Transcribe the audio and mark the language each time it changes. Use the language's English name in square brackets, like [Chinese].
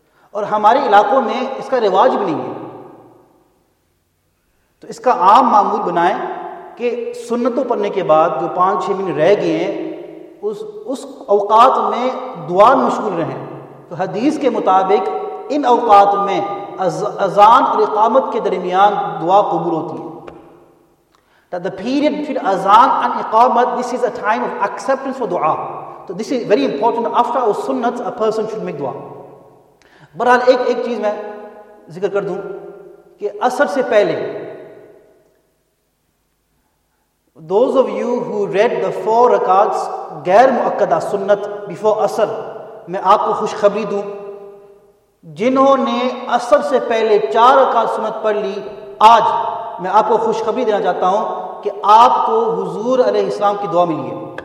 [Urdu] اور ہمارے علاقوں میں اس کا رواج بھی نہیں ہے, تو اس کا عام معمول بنائیں کہ سنتوں پڑھنے کے بعد جو 5-6 منٹ رہ گئے ہیں اس اوقات میں دعا مشغول رہیں. تو حدیث کے مطابق ان اوقات میں اذان اور اقامت کے درمیان دعا قبول ہوتی ہے. [English] That the period between اذان and اقامت, this is a time of acceptance for دعا. So this is very important. After our sunnat, a person should make دعا. [Urdu] برحال ایک چیز میں ذکر کر دوں کہ عصر سے پہلے, [English] those of you who read the 4 rakats [Urdu] غیر مؤکدہ سنت before عصر, میں آپ کو خوشخبری دوں, جنہوں نے عصر سے پہلے 4 رکعت سنت پڑھ لی, آج میں آپ کو خوشخبری دینا چاہتا ہوں کہ آپ کو حضور علیہ السلام کی دعا ملی ہے.